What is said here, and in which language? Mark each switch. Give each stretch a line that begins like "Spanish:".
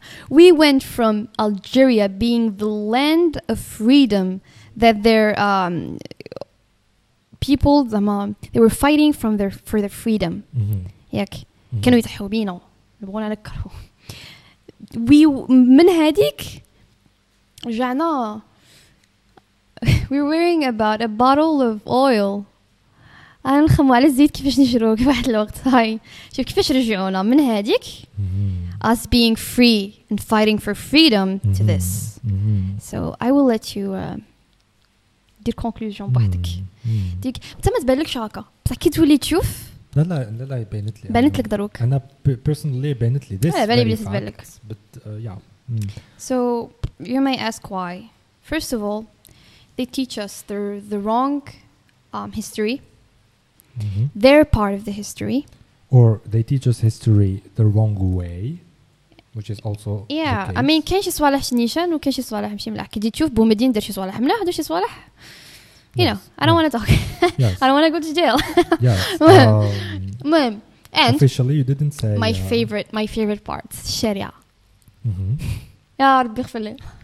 English: We went from Algeria being the land of freedom that their people, they were fighting from their for their freedom.
Arabic: Yak, كانوا يتحوا بينا يبغون على كرو.
English: We
Arabic: من هذيك جانا.
English: We're worrying about a bottle of oil.
Arabic: أنا نخمو على الزيت كيفاش نشرو في واحد الوقت هاي. شوف كيفاش رجعونا من هذيك.
English: Us being free and fighting for freedom to this. So I will let you
Arabic: dir
English: conclusion
Arabic: بوحدك. ديك تما تبان لك شراكه بصح كي تولي تشوف. لا بانت لي. بانت لك دروك. انا
English: personally
Arabic: بانت لي ديس. بالي بلي تبان لك.
English: But yeah. So you may ask why. First of all, they teach us the wrong history. They're part of the history. Or they teach us history the wrong way. Which is also yeah. The case. I mean,
Arabic: كاين شي صوالح نيشان وكاين شي صوالح ماشي ملاح. كي تشوف بو مدين دار شي صوالح ملاح ودار شي صوالح.
English: You know, I don't want to talk. Yes. I don't want to go to jail. Yes.
Arabic: مهم. And
English: officially, you didn't say my favorite. My favorite part.
Arabic: الشريعة. يا ربي اغفر لي.